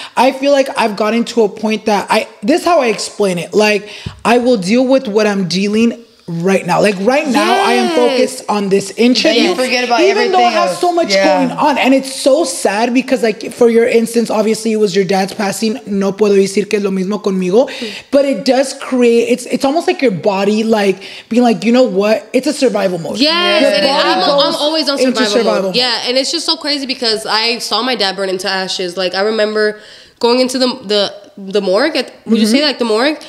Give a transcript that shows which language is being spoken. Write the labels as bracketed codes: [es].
[en] I feel like I've gotten to a point that this is how I explain it. Like, I will deal with what I'm dealing right now. Like, right, yes, now, I am focused on this interview. Yeah, forget about even everything though I have else. So much, yeah, going on. And it's so sad because, like, for your instance, obviously, it was your dad's passing. [es] No puedo decir que es lo mismo conmigo. [en] But it does create, it's almost like your body, like, being like, you know what? It's a survival mode. Yes, it is. I'm always on survival mode. Yeah, and it's just so crazy because I saw my dad burn into ashes. Like, I remember going into the morgue. Would you say, like, the morgue?